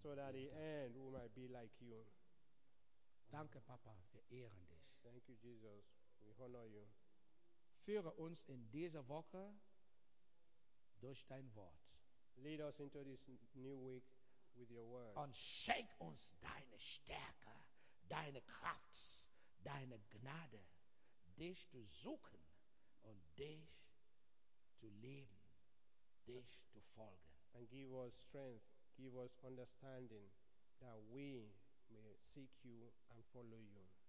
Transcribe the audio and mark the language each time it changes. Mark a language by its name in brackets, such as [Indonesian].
[English] So that in the end we might be like you. [German] Danke, Papa, wir ehren dich. [English] Thank you, Jesus. We honor you. [German] Führe uns in dieser Woche durch dein Wort. [English] Lead us into this new week with your word. [German] Und schenk uns deine Stärke, deine Kraft, deine Gnade, dich zu suchen und dich zu lieben, dich zu folgen. [English] And give us strength. Give us understanding that we may seek you and follow you.